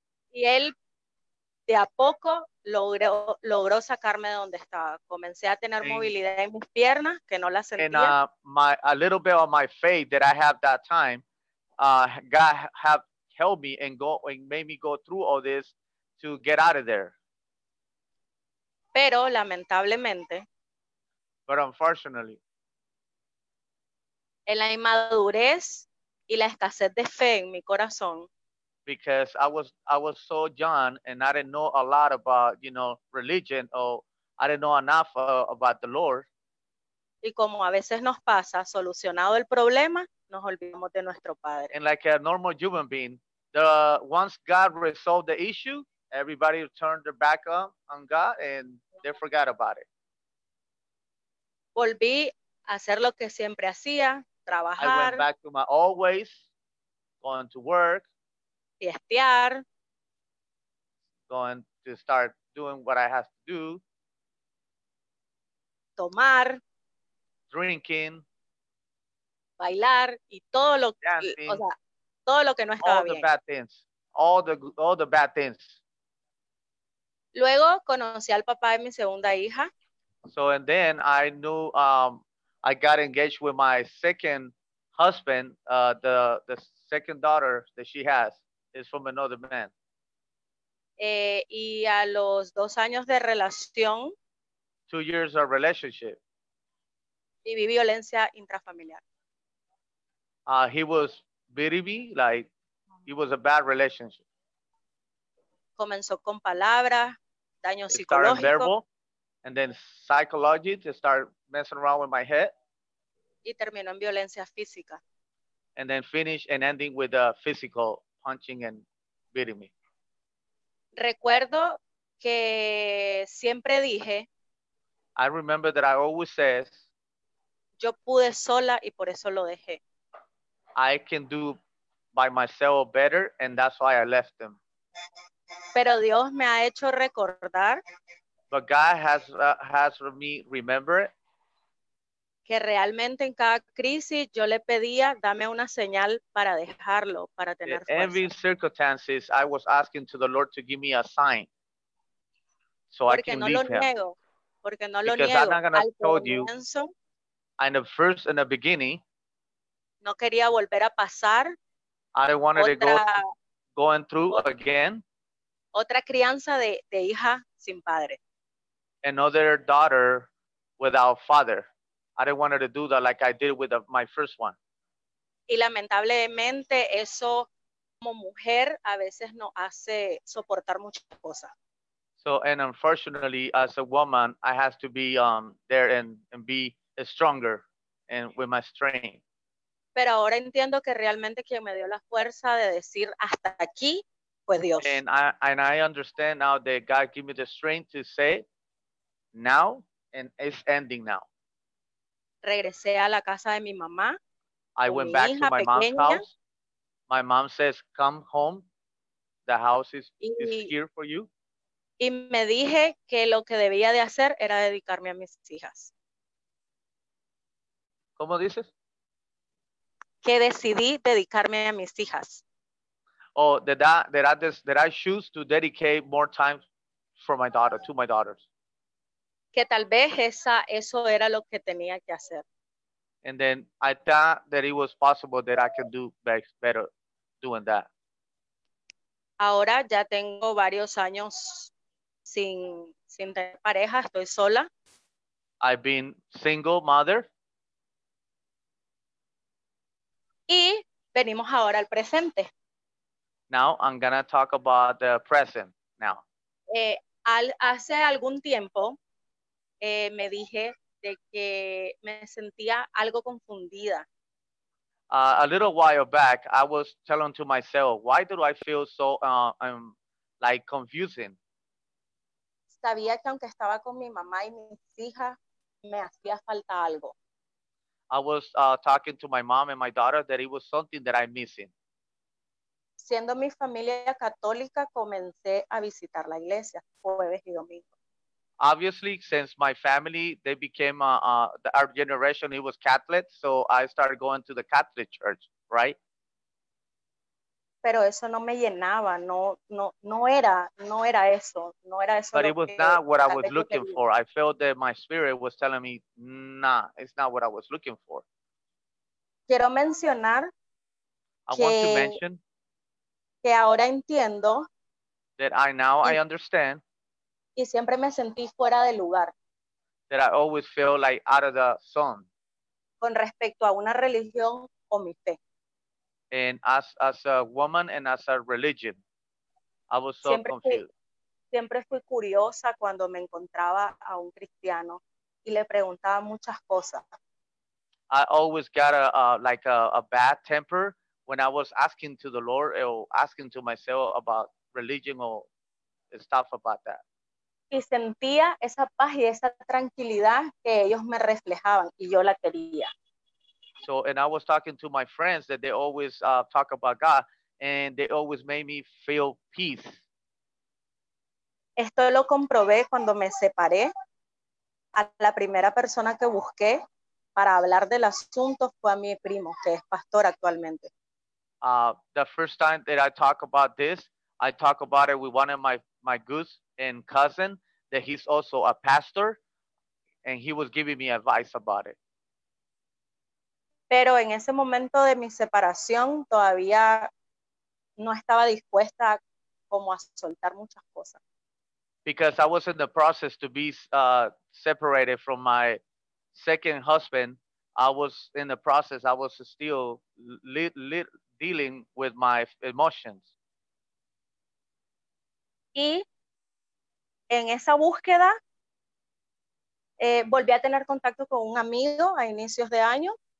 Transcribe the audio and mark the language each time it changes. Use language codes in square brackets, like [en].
[es] Y él de a poco logró sacarme de donde estaba. Comencé a tener movilidad en mis piernas que no la sentía. [en] And a little bit of my faith that I have that time, God have helped me and made me go through all this to get out of there. [es] Pero lamentablemente. [en] But unfortunately. [es] En la inmadurez y la escasez de fe en mi corazón. [en] Because I was so young and I didn't know a lot about, you know, religion, or I didn't know enough about the Lord. [es] Y como a veces nos pasa, solucionado el problema, nos olvidamos de nuestro Padre. [en] And like a normal human being, once God resolved the issue, everybody turned their back on God and they forgot about it. [es] Volví a hacer lo que siempre hacía, trabajar. [en] I went back to my old ways, going to work. [es] Fiestear. [en] Going to start doing what I have to do. [es] Tomar. [en] Drinking. [es] Bailar. Y todo lo, [en] dancing, [es] o sea, todo lo que no estaba [en] all [es] bien. [en] All the bad things. All the bad things. [es] Luego conocí al papá de mi segunda hija. [en] So, and then I knew, I got engaged with my second husband, the second daughter that she has. Is from another man. [es] Y a los dos años de relación. [en] 2 years of relationship. [es] Viví violencia intrafamiliar. [en] He was beating me, like it was a bad relationship. [es] Comenzó con palabras, daño [en] it [es] psicológico. [en] Verbal, and then psychology to start messing around with my head. [es] y terminó en violencia física. [en] And then finish and ending with a physical punching and beating me. [es] Recuerdo que siempre dije, [en] I remember that I always said, [es] yo pude sola y por eso lo dejé. [en] I can do by myself better, and that's why I left them. [es] Pero Dios me ha hecho recordar, [en] but God has me remember it, [es] que realmente en cada crisis yo le pedía, dame una señal para dejarlo, para tener fuerza. [en] In every circumstances, I was asking to the Lord to give me a sign so [es] porque [en] I can [es] no [en] leave [es] lo [en] him. [es] Niego, porque no [en] because [es] lo niego. [en] I'm not going to tell you, [es] comienzo, [en] in the first, in the beginning, [es] no quería volver a pasar, [en] I wanted [es] otra, [en] to go going through [es] otra, [en] again, [es] otra crianza de hija sin padre. [en] Another daughter without father. I didn't want her to do that like I did with my first one. [es] Y lamentablemente eso como mujer a veces no hace soportar muchas cosas. [en] So, and unfortunately, as a woman, I have to be there and be stronger and with my strength. [es] Pero ahora entiendo que realmente quien me dio la fuerza de decir hasta aquí fue Dios. [en] And I understand now that God gave me the strength to say now and it's ending now. [es] Regresé a la casa de mi mamá. [en] I went back to my [es] pequeña. [en] Mom's house. My mom says, come home. The house is here for you. [es] Y me dije que lo que debía de hacer era dedicarme a mis hijas. ¿Cómo dices? Que decidí dedicarme a mis hijas. [en] Oh, that I choose to dedicate more time for my daughter, to my daughters. [es] Que tal vez eso era lo que tenía que hacer. [en] And then I thought that it was possible that I could do better doing that. [es] Ahora ya tengo varios años sin tener pareja, estoy sola. [en] I've been single mother. [es] Y venimos ahora al presente. [en] Now I'm gonna talk about the present now. [es] Hace algún tiempo me dije de que me sentía algo confundida. [en] A little while back, I was telling to myself, why do I feel so, like, confusing? [es] Sabía que aunque estaba con mi mamá y mis hijas, me hacía falta algo. [en] I was talking to my mom and my daughter that it was something that I'm missing. [es] Siendo mi familia católica, comencé a visitar la iglesia jueves y domingo. [en] Obviously, since my family, they became, our generation, it was Catholic, so I started going to the Catholic church, right? [es] Pero eso no me llenaba, no era eso. [en] But it was not what I was looking for. I felt that my spirit was telling me, nah, it's not what I was looking for. [es] Quiero mencionar que ahora entiendo [en] that I understand. [es] Y siempre me sentí fuera de lugar. [en] That I always feel like out of the zone. [es] Con respecto a una religión o mi fe. [en] And as a woman and as a religion, I was so [es] siempre [en] confused. [es] Siempre fui curiosa cuando me encontraba a un cristiano y le preguntaba muchas cosas. [en] I always got a bad temper when I was asking to the Lord or asking to myself about religion or stuff about that. [es] Y sentía esa paz y esa tranquilidad que ellos me reflejaban y yo la quería. [en] So, and I was talking to my friends that they always talk about God and they always made me feel peace. [es] Esto lo comprobé cuando me separé. A la primera persona que busqué para hablar del asunto fue a mi primo, que es pastor actualmente. [en] The first time that I talk about this, I talk about it with one of my goods and cousin, that he's also a pastor, and he was giving me advice about it. [es] Pero en ese momento de mi separación, todavía no estaba dispuesta como a soltar muchas cosas. [en] Because I was in the process to be separated from my second husband, I was in the process, I was still dealing with my emotions. [es] Y en esa búsqueda, volví a tener contacto con un amigo a inicios de año.